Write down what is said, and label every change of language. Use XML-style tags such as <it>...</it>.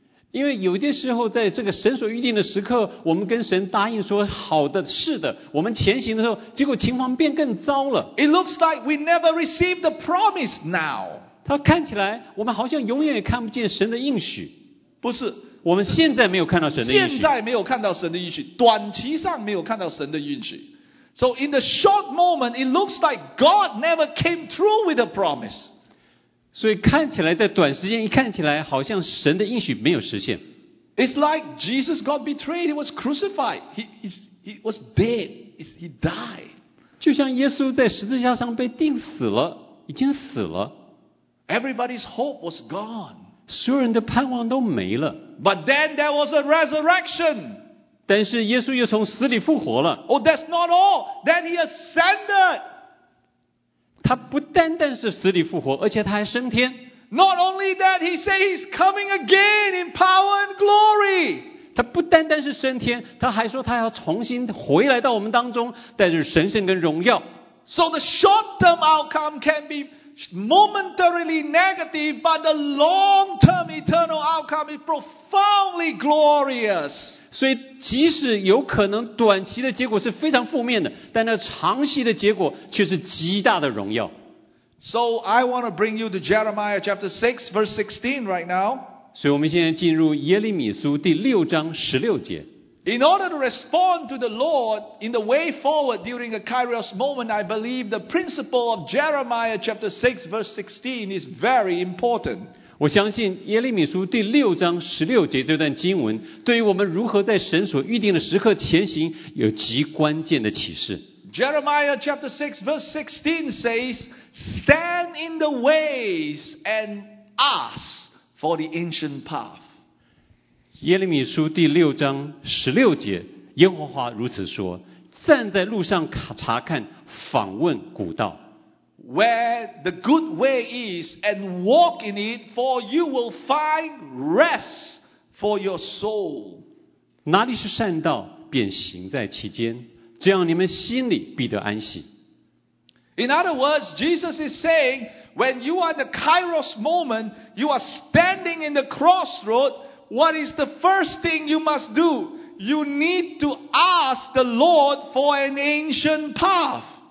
<zh>因为有些时候在这个神所预定的时刻，我们跟神答应说好的，是的，我们前行的时候，结果情况变更糟了。</zh> <en>It looks like we never receive the promise now.</en> <zh>它看起来我们好像永远也看不见神的应许。不是。我们现在没有看到神的应许，现在没有看到神的应许，短期上没有看到神的应许。</zh> <en>So in the short moment it looks like God never came through with the promise.</en> <zh>所以看起来在短时间一看起来好像神的应许没有实现。</zh> <en>It's like Jesus got betrayed. He was crucified. He was dead. He died.</en> <zh>就像耶稣在十字架上被钉死了，已经死了。</zh> <en>Everybody's hope was gone.</en> <zh>所有人的盼望都没了。</zh> <en>But then there was a resurrection.</en> <zh>但是耶稣又从死里复活了。</zh> <en>Oh, that's not all. Then he ascended.</en> <zh>他不单单是死里复活，而且他还升天。</zh> <en>Not only that, he said he's coming again in power and glory.</en> <zh>他不单单是升天，他还说他要重新回来到我们当中，带着神圣跟荣耀。</zh> <en>So the short-term outcome can be momentarily negative, but the long-term eternal outcome is profoundly glorious.</en> <zh>所以即使有可能短期的结果是非常负面的，但那长期的结果却是极大的荣耀。</zh> <en>So I want to bring you to Jeremiah chapter 6 verse 16 right now.</en> <zh>所以我们现在进入耶利米书第六章十六节。</zh> <en>In order to respond to the Lord in the way forward during a Kairos moment, I believe the principle of Jeremiah chapter 6 verse 16 is very important.</en> <zh>我相信耶利米书第六章十六节这段经文对于我们如何在神所预定的时刻前行有极关键的启示。</zh> <en>Jeremiah chapter 6 verse 16 says, Stand in the ways and ask for the ancient path.</en> <zh>耶利米书第六章十六节耶和华如此说，站在路上查看，访问古道。</zh> <en>Where the good way is and walk in it, for you will find rest for your soul.</en> <zh>哪里是善道，便行在其间，这样你们心里必得安息。</zh> <en>In other words, Jesus is saying, when you are in the Kairos moment, you are standing in the crossroad, what is the first thing you must do? You need to ask the Lord for an ancient path.</en>